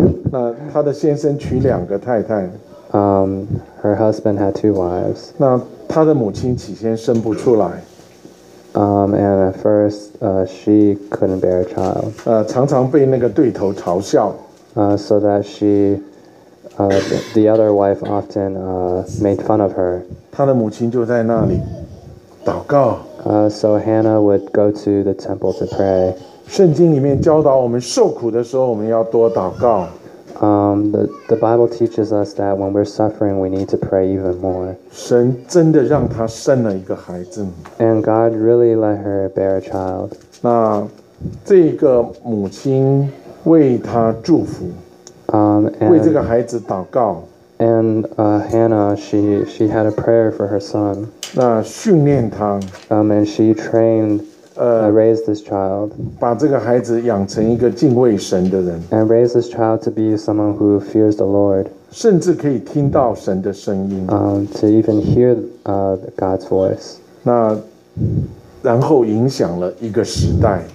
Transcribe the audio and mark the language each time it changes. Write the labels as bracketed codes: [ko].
[zh] 那她的先生娶两个太太。 [en] Her husband had two wives. [zh] 那她的母亲起先生不出来。 [en] And at first, she couldn't bear a child. [zh] 常常被那个对头嘲笑。 [en] So that she, the other wife often made fun of her. [zh] 她的母亲就在那里祷告。 [en] So Hannah would go to the temple to pray. [zh] 圣经里面教导我们受苦的时候我们要多祷告。 [en] The Bible teaches us that when we're suffering, we need to pray even more. [zh] 神真的让她生了一个孩子。 [en] And God really let her bear a child. [zh] 那这个母亲为她祝福。为这个孩子祷告。 [en] And Hannah, she had a prayer for her son. [zh] 那训练她。 [en] And she trained. Raise this child, [zh] 把这个孩子养成一个敬畏神的人 [en] and raise this child to be someone who fears the Lord, [zh] 甚至可以听到神的声音 [en] to even hear God's voice, [zh] 那然后影响了一个时代